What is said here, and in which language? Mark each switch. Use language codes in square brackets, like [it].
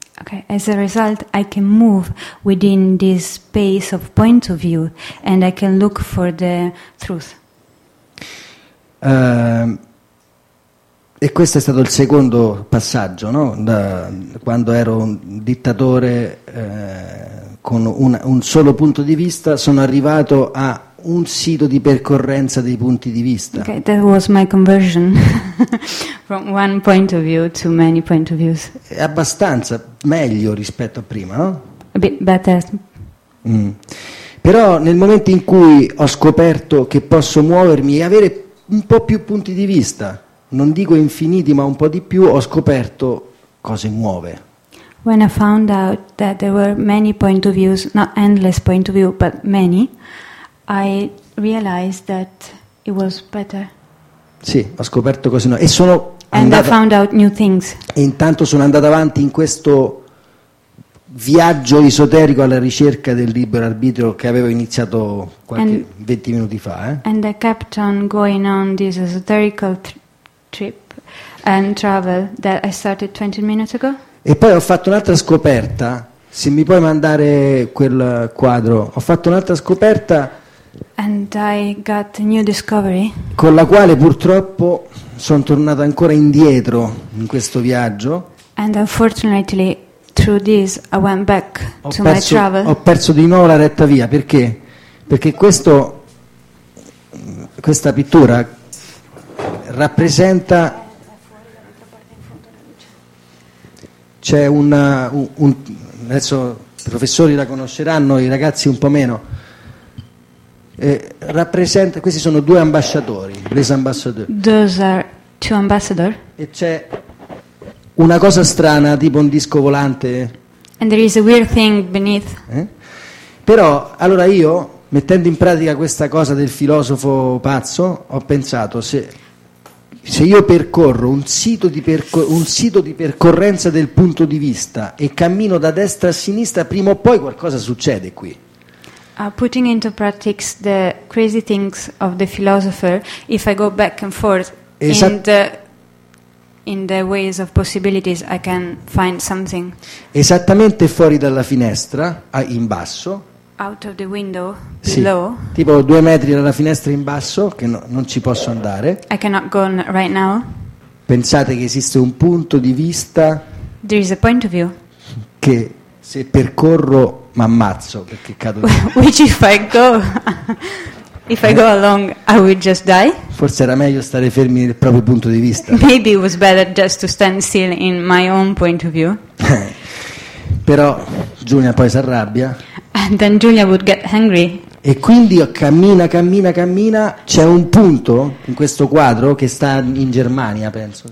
[en] Okay, as a result I can move within this space of point of view and I can look for the truth. [it] E questo è stato il secondo passaggio, no? Da quando ero un dittatore con un solo punto di vista, sono arrivato a un sito di percorrenza dei punti di vista. [en] Okay, that was my conversion from one point of view to many point of views. [it] È abbastanza meglio rispetto a prima, no? [en] A bit better. Mm. [it] Però nel momento in cui ho scoperto che posso muovermi e avere un po' più punti di vista, non dico infiniti, ma un po' di più, ho scoperto cose nuove. [en] When I found out that there were many point of views, not endless point of view, but many, I realized that it was better. [it] Sì, ho scoperto cose nuove. E sono [en] andata, and I found out new things. [it] E intanto sono andato avanti in questo viaggio esoterico alla ricerca del libero arbitrio che avevo iniziato qualche 20 minuti fa. [en] And I kept on going on this esoteric trip and travel that I started 20 minutes ago. [it] E poi ho fatto un'altra scoperta. Se mi puoi mandare quel quadro, ho fatto un'altra scoperta. [en] And I got a new discovery. [it] Con la quale purtroppo sono tornato ancora indietro in questo viaggio. [en] And unfortunately, through this, I went back to my travel. [it] Ho perso di nuovo la retta via. Perché? Perché questo, questa pittura rappresenta. C'è un adesso i professori la conosceranno, i ragazzi un po' meno. Rappresenta, questi sono due ambasciatori, [fr] les ambassadeurs. [en] Those are two ambassadors. [it] E c'è una cosa strana, tipo un disco volante. [en] And there is a weird thing beneath. [it] Però allora io, mettendo in pratica questa cosa del filosofo pazzo, ho pensato se io percorro un sito di percorrenza del punto di vista e cammino da destra a sinistra, prima o poi qualcosa succede qui. [en] Putting into practice the crazy things of the philosopher, if I go back and forth in the ways of possibilities, I can find something. [it] Esattamente fuori dalla finestra, in basso. [en] Out of the window, below. [it] Sì, tipo 2 metri dalla finestra in basso, che no, non ci posso andare. [en] I cannot go right now. [it] Pensate che esiste un punto di vista. [en] There is a point of view. [it] Che se percorro mi ammazzo perché cado. [en] Which if I go along, I would just die. [it] Forse era meglio stare fermi nel proprio punto di vista. [en] Maybe it was better just to stand still in my own point of view. [it] Però Giulia poi si arrabbia. [en] And then Giulia would get angry. [it] E quindi cammina, cammina, cammina. C'è un punto in questo quadro che sta in Germania, penso.